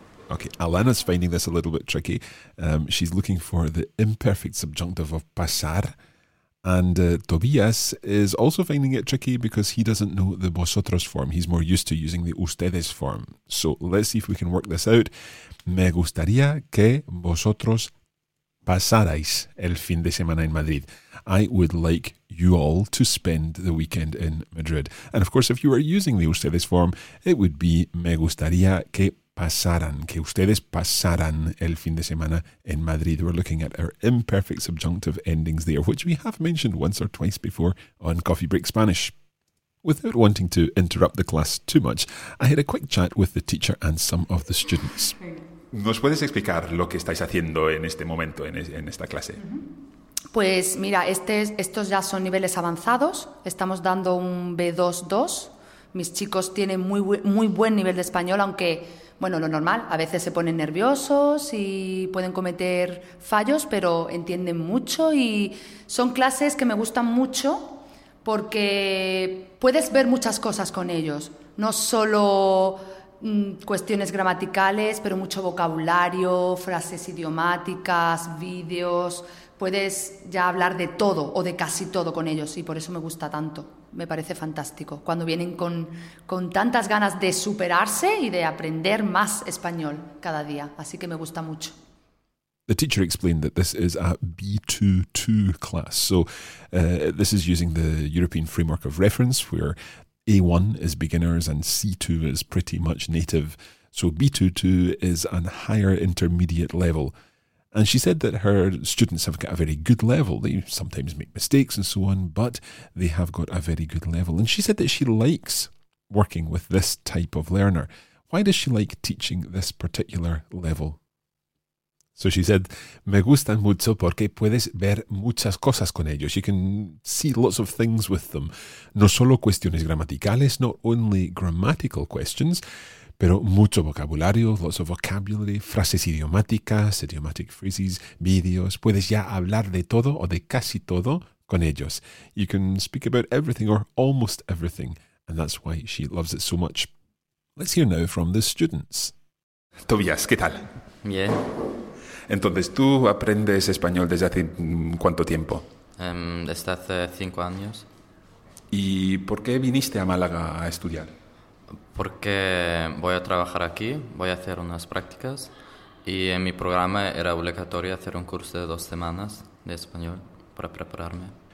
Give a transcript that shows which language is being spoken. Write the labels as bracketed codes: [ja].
[en] Okay, Alana's finding this a little bit tricky. She's looking for the imperfect subjunctive of pasar. And Tobias is also finding it tricky because he doesn't know the vosotros form. He's more used to using the ustedes form. So let's see if we can work this out. [es] Me gustaría que vosotros pasarais el fin de semana en Madrid. [en] I would like you all to spend the weekend in Madrid. And of course, if you were using the ustedes form, it would be [es] me gustaría que pasaran, que ustedes pasaran el fin de semana en Madrid. [en] We're looking at our imperfect subjunctive endings there, which we have mentioned once or twice before on Coffee Break Spanish. Without wanting to interrupt the class too much, I had a quick chat with the teacher and some of the students. [es] ¿Nos puedes explicar lo que estáis haciendo en este momento, en esta clase? Pues mira, estos ya son niveles avanzados. Estamos dando un B2-2. Mis chicos tienen muy, muy buen nivel de español, aunque... Bueno, lo normal, a veces se ponen nerviosos y pueden cometer fallos, pero entienden mucho y son clases que me gustan mucho porque puedes ver muchas cosas con ellos, no solo cuestiones gramaticales, pero mucho vocabulario, frases idiomáticas, vídeos, puedes ya hablar de todo o de casi todo con ellos y por eso me gusta tanto. Me parece fantástico. Cuando vienen con tantas ganas de superarse y de aprender más español cada día. Así que me gusta mucho. [en] The teacher explained that this is a B2-2 class. So this is using the European framework of reference where A1 is beginners and C2 is pretty much native. So B2-2 is a higher intermediate level. And she said that her students have got a very good level. They sometimes make mistakes and so on, but they have got a very good level. And she said that she likes working with this type of learner. Why does she like teaching this particular level? So she said, [es] me gustan mucho porque puedes ver muchas cosas con ellos. [en] You can see lots of things with them. [es] No solo cuestiones gramaticales, [en] not only grammatical questions, [es] pero mucho vocabulario, [en] lots of vocabulary, [es] frases idiomáticas, [en] idiomatic phrases, videos. [es] Puedes ya hablar de todo o de casi todo con ellos. [en] You can speak about everything or almost everything. And that's why she loves it so much. Let's hear now from the students. Tobias, [es] ¿qué tal? Bien. Entonces, ¿tú aprendes español desde hace cuánto tiempo? Desde hace 5 años. ¿Y por qué viniste a Málaga a estudiar? Porque voy a trabajar aquí, voy a hacer unas prácticas y en mi programa era obligatorio hacer un curso de 2 semanas de español para prepararme.